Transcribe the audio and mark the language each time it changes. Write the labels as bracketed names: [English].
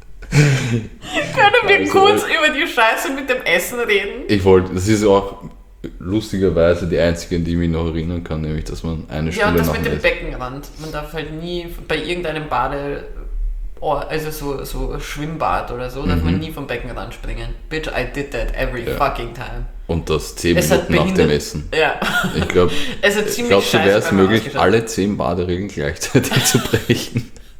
[German] Können wir kurz über die Scheiße mit dem Essen reden? Ich wollte, das ist auch lustigerweise die einzige, an die ich mich noch erinnern kann, nämlich, dass man eine Stunde nach... Ja, und das mit dem Beckenrand. Man darf halt nie bei irgendeinem Bade... Oh, also so Schwimmbad oder so, darf man nie vom Beckenrand springen. [English] Bitch, I did that every fucking time. [German] Und das 10 Minuten nach dem Essen. Ja. Ich glaube, es hat ziemlich scheiße, wäre es möglich, alle 10 Baderegeln gleichzeitig zu brechen.